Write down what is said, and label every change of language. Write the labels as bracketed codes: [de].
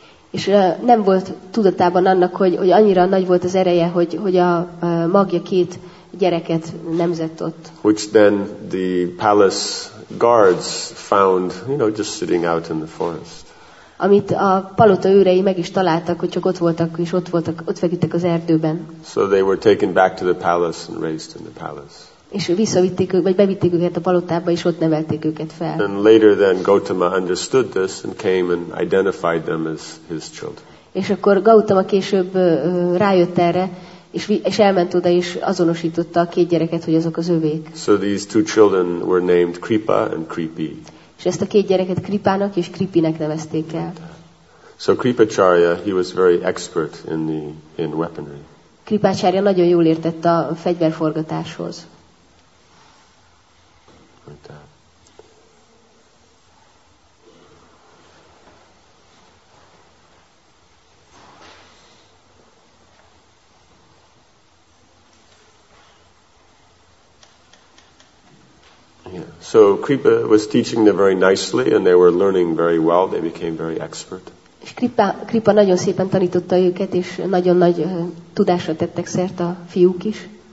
[hu] És nem volt tudatában annak, hogy annyira nagy volt az ereje, hogy a magja két gyereket nemzett ott. [en] Which then the palace guards found, just sitting out in the forest. [hu] Amit a palota őrei meg is találtak, hogy csak ott voltak, és ott feküdtek az erdőben. [en] So they were taken back to the palace and raised in the palace. [hu] És visszavitték őket, vagy bevitték őket a palotába, és ott nevelték őket fel. [en] And later then Gautama understood this and came and identified them as his children. [hu] És akkor Gautama később rájött erre, és elment oda, és azonosította a két gyereket, hogy azok az övék. [en] So these two children were named Kripa and Kripi. [hu] És ezt a két gyereket Kripának és Kripinek nevezték el. [en] So Kripacharya, he was very expert in weaponry. [hu] Kripacharya nagyon jól értett a fegyverforgatáshoz. [en] So Kripa was teaching them very nicely, and they were learning very well. They became very expert. [hu] Kripa nagyon szépen tanította őket, és nagyon nagy tudásra tettek szert a fiúk is.